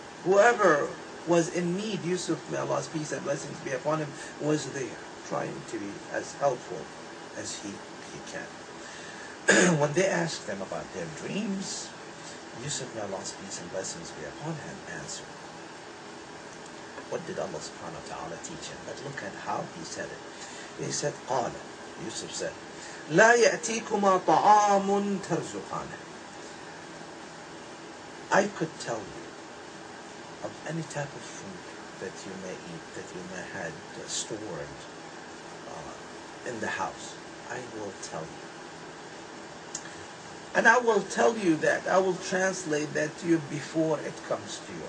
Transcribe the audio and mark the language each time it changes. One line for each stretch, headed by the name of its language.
English: Whoever was in need, Yusuf, may Allah's peace and blessings be upon him, was there trying to be as helpful as he can. When they asked them about their dreams, Yusuf, may Allah's peace and blessings be upon him, answered, what did Allah subhanahu wa ta'ala teach him? But look at how he said it. He said,
Arabic: قَالَ,
English: Yusuf said,
Arabic: لَا يَأْتِيكُمَا طَعَامٌ تَرْزُقَانَ.
English: I could tell you of any type of food that you may eat, that you may have stored in the house. I will tell you. And I will tell you that, I will translate that to you before it comes to you.